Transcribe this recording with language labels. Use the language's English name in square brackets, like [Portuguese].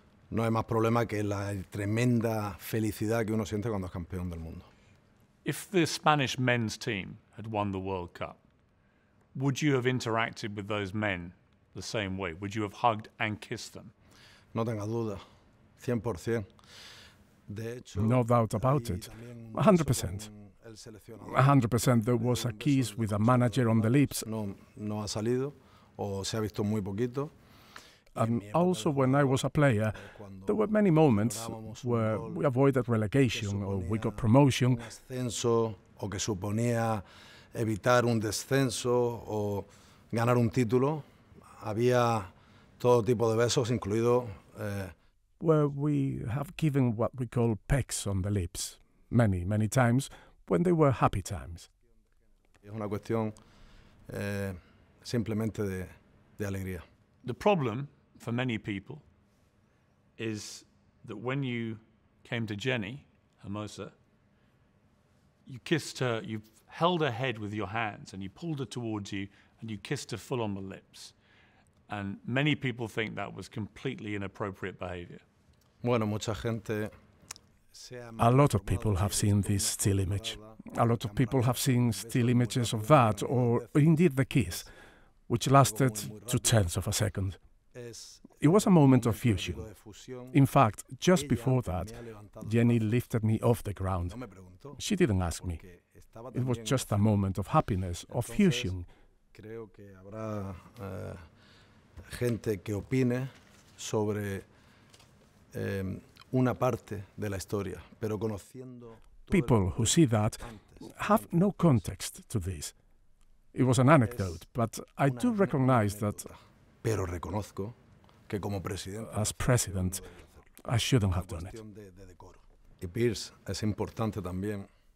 [Spanish] No hay más problema que la tremenda felicidad que uno siente cuando es campeón del mundo. [English] If the Spanish men's team had won the World Cup, would you have interacted with those men the same way? Would you have hugged and kissed them? [Spanish] No tenga duda, 100%. [English] No doubt about it, 100%. 100%. There was a kiss with a manager on the lips. [Spanish] No ha salido, o se ha visto muy poquito. [English] And also, when I was a player, there were many moments where we avoided relegation or we got promotion. [Spanish] Ascenso, o que suponía evitar un descenso o ganar un título, había todo tipo de besos, incluido. [English] Where we have given what we call pecks on the lips, many, many times. When they were happy times. [Spanish] Es una cuestión simplemente de alegría. [English] The problem for many people is that when you came to Jenni Hermoso, you kissed her, you held her head with your hands and you pulled her towards you and you kissed her full on the lips. And many people think that was completely inappropriate behavior. [Spanish] Bueno, mucha gente. [English] A lot of people have seen this still image. A lot of people have seen still images of that, or indeed the kiss, which lasted 0.2 seconds. It was a moment of fusion. In fact, just before that, Jenni lifted me off the ground. She didn't ask me. It was just a moment of happiness, of fusion. [Spanish] Creo que habrá gente que opine sobre una parte de la historia, pero conociendo. [English] People who see that have no context to this. It was an anecdote, but I do recognize that. [Spanish] Pero reconozco que como presidente. [English] As president, I shouldn't have done it. [Spanish] Y Piers, es importante también.